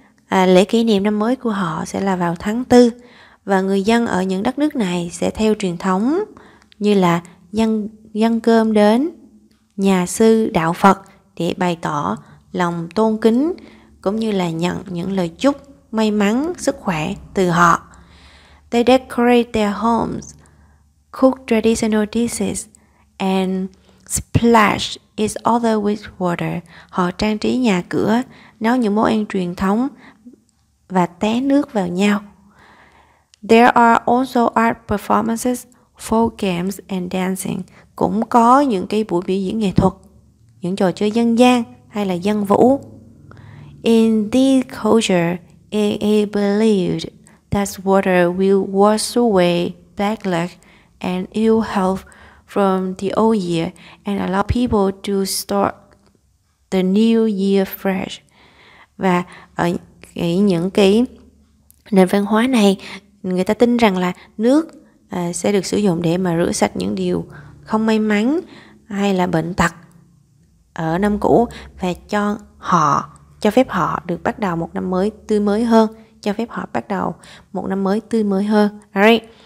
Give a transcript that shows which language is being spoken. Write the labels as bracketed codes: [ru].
[vi] Lễ kỷ niệm năm mới của họ sẽ là vào tháng 4. Và người dân ở những đất nước này sẽ theo truyền thống như là dâng cơm đến nhà sư đạo Phật để bày tỏ lòng tôn kính cũng như là nhận những lời chúc may mắn, sức khỏe từ họ. [en] They decorate their homes, cook traditional dishes, and splash each other with water. [vi] Họ trang trí nhà cửa, nấu những món ăn truyền thống và té nước vào nhau. [en] There are also art performances, folk games and dancing. [vi] Cũng có những cái buổi biểu diễn nghệ thuật, những trò chơi dân gian hay là dân vũ. [en] In this culture, it is believed that water will wash away bad luck and ill health from the old year and allow people to start the new year fresh. [vi] Và ở những cái nền văn hóa này, người ta tin rằng là nước sẽ được sử dụng để mà rửa sạch những điều không may mắn hay là bệnh tật ở năm cũ và cho phép họ được bắt đầu một năm mới tươi mới hơn. Alright.